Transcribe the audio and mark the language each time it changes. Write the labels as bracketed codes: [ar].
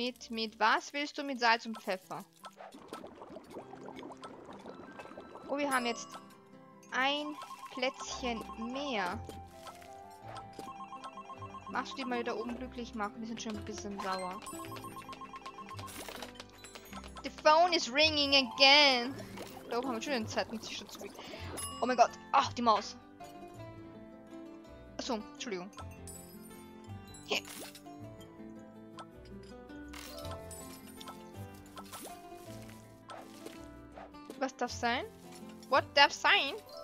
[de] Mit was willst du mit Salz und Pfeffer? Oh, wir haben jetzt ein Plätzchen mehr. Machst du die mal da oben glücklich machen? Die sind schon ein bisschen sauer. [en] The phone is ringing again. [de] Da oben haben wir schon den Zeitungsschutz. Oh mein Gott. Ach, die Maus. Achso, Entschuldigung. Hier. Was darf sein? What darf sein?